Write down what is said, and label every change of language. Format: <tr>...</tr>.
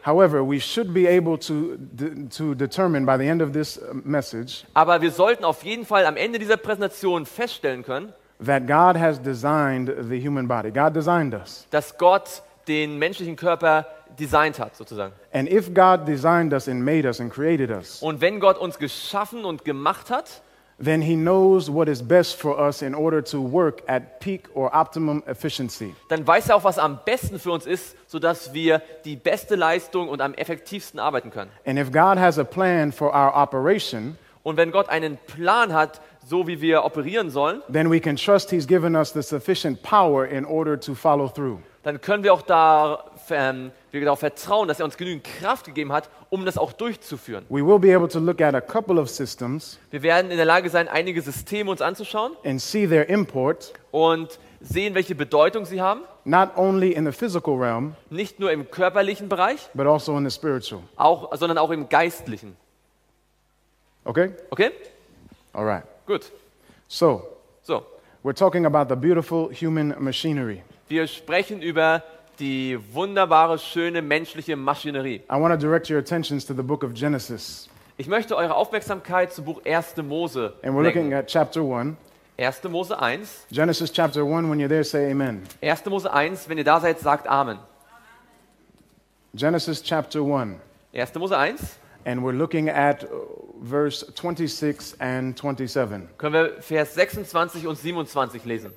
<en>However, we should be able to determine by the end of this message.</en> <de>Aber wir sollten auf jeden Fall am Ende dieser Präsentation feststellen können,</de> <en>that God has designed the human body. God designed us.</en> <de>Dass Gott den menschlichen Körper designed hat, sozusagen.</de> <en>And if God designed us and made us and created us.</en> <de>Und wenn Gott uns geschaffen und gemacht hat,</de> <en>then he knows what is best for us in order to work at peak or optimum efficiency.</en> <de>Dann weiß er auch, was am besten für uns ist, so dass wir die beste Leistung und am effektivsten arbeiten können.</de> <en>And if God has a plan for our operation,</en> <de>und wenn Gott einen Plan hat, so wie wir operieren sollen,</de> <en>then we can trust he's given us the sufficient power in order to follow through.</en> <de>Dann können wir auch darauf vertrauen, dass er uns genügend Kraft gegeben hat, um das auch durchzuführen.</de> <en>We will be able to look at a couple of systems.</en> <de>Wir werden in der Lage sein, einige Systeme uns anzuschauen</de> <en>and see their import</en> <de>und sehen, welche Bedeutung sie haben.</de> <en>Not only in the physical realm,</en> <de>nicht nur im körperlichen Bereich,</de> <en>but also in the spiritual.</en> <de>Auch, sondern auch im geistlichen.</de> <en>Okay?</en> <de>Okay?</de> <en>All right.</en> <de>Gut.</de> <en>So. We're talking about the beautiful human machinery.</en> <de>Wir sprechen über die wunderbare, schöne menschliche Maschinerie.</de> <en>I want to direct your attentions to the book of Genesis.</en> <de>Ich möchte eure Aufmerksamkeit zum Buch 1. Mose lenken.</de> <en>And we're looking at chapter 1.</en> <de>1. Mose 1.</de> <en>Genesis chapter 1, when you're there, say amen.</en> <de>1. Mose 1, wenn ihr da seid, sagt Amen.</de> <en>Genesis chapter 1.</en> <de>1. Mose 1.</de> <en>And we're looking at verse 26 and 27.</en> <de>Können wir Vers 26 und 27 lesen?</de>